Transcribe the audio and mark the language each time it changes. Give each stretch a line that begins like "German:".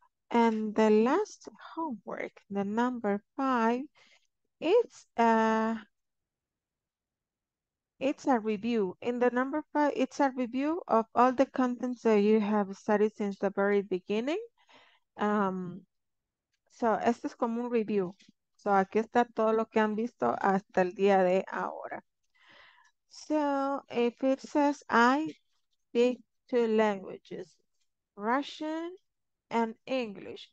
English: And the last homework, the number 5, it's it's a review. In the number 5, it's a review of all the contents that you have studied since the very beginning.
Spanish: So, este es como un review. So, aquí está todo lo que han visto hasta el día de ahora.
English: So, if it says I speak 2 languages, Russian and English.